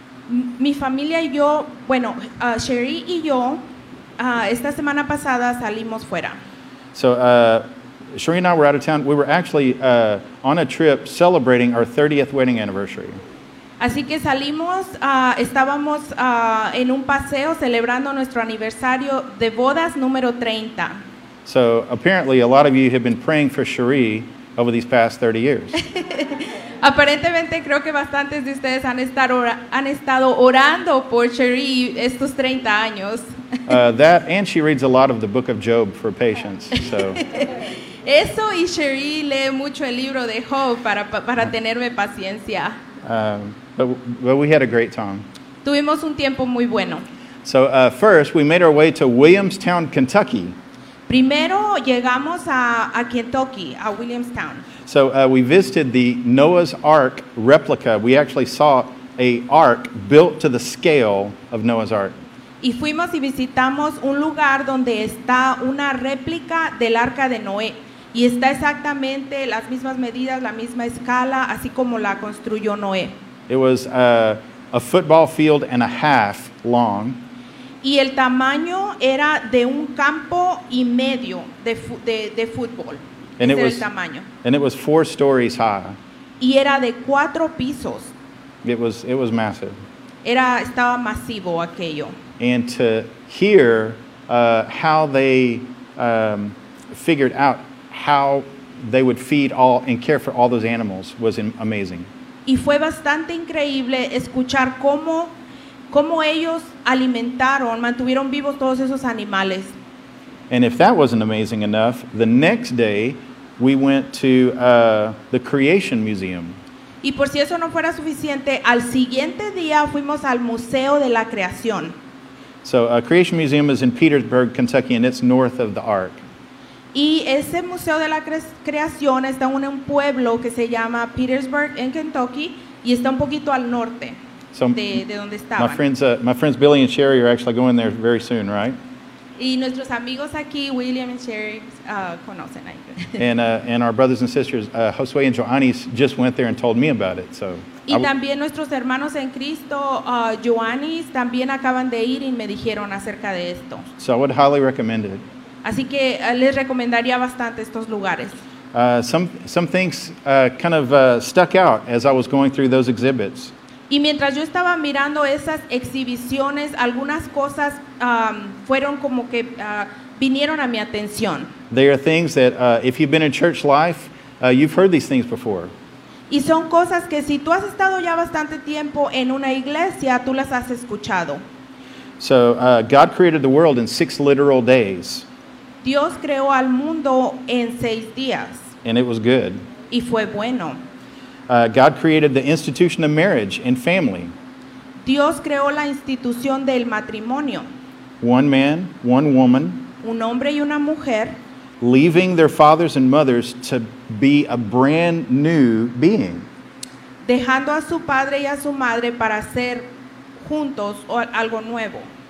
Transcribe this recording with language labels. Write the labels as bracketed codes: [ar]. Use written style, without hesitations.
[es] Mi familia y yo, bueno, Cherie y yo, esta semana pasada salimos fuera. [en] So Cherie and I were out of town. We were actually on a trip celebrating our 30th wedding anniversary. [es] Así que salimos, estábamos en un paseo celebrando nuestro aniversario de bodas número 30. [en] So apparently a lot of you have been praying for Cherie over these past 30 years. [es] Aparentemente creo que bastantes de ustedes han estado orando por Cherie estos 30 años. [en] That and she reads a lot of the book of Job for patience. So. [es] Eso y Cherie lee mucho el libro de Job para tenerme paciencia. [en] But we had a great time. [es] Tuvimos un tiempo muy bueno. [en] So first, we made our way to Williamstown, Kentucky. [es] Primero llegamos a Kentucky, a Williamstown. [en] So we visited the Noah's Ark replica. We actually saw a ark built to the scale of Noah's Ark. [es] Y fuimos y visitamos un lugar donde está una réplica del arca de Noé. Y está exactamente las mismas medidas, la misma escala, así como la construyó Noé. [en] It was a football field and a half long. [es] Y el tamaño era de un campo y medio de fútbol. [en] And [es] ese [en] it was, [es] el tamaño. [en] And it was four stories high. [es] Y era de cuatro pisos. [en] It was massive. [es] Era, estaba masivo aquello. [en] And to hear how they figured out how they would feed all and care for all those animals was amazing. [es] Y fue bastante increíble escuchar cómo ellos alimentaron, mantuvieron vivos todos esos animales. [en] And if that wasn't amazing enough, the next day we went to the Creation Museum. [es] Y por si eso no fuera suficiente, al siguiente día fuimos al Museo de la Creación. [en] So Creation Museum is in Petersburg, Kentucky, and it's north of the Ark. [es] Y ese Museo de la Creación está en un pueblo que se llama Petersburg en Kentucky y está un poquito al norte. [en] So [es] de donde estaban. [en] My friends Billy and Sherry are actually going there very soon, right? [es] Y nuestros amigos aquí, William and Sherry, conocen ahí. [en] And our brothers and sisters, Josue and Joannis, just went there and told me about it. So. [es] Y también nuestros hermanos en Cristo, Joannis, también acaban de ir y me dijeron acerca de esto. [en] So I would highly recommend it. [es] Así que les recomendaría bastante estos lugares. [en] Some things kind of stuck out as I was going through those exhibits. [es] Y mientras yo estaba mirando esas exhibiciones, algunas cosas fueron como que vinieron a mi atención. [en] They are things that if you've been in church life, you've heard these things before. [es] Y son cosas que si tú has estado ya bastante tiempo en una iglesia, tú las has escuchado. [en] So God created the world in 6 literal days. [es] Dios creó al mundo en 6 días. [en] And it was good. [es] Y fue bueno. [en] God created the institution of marriage and family. [es] Dios creó la institución del matrimonio. [en] One man, one woman. [es] Un hombre y una mujer. [en] Leaving their fathers and mothers to be a brand new being. [es] Dejando a su padre y a su madre para ser juntos algo nuevo.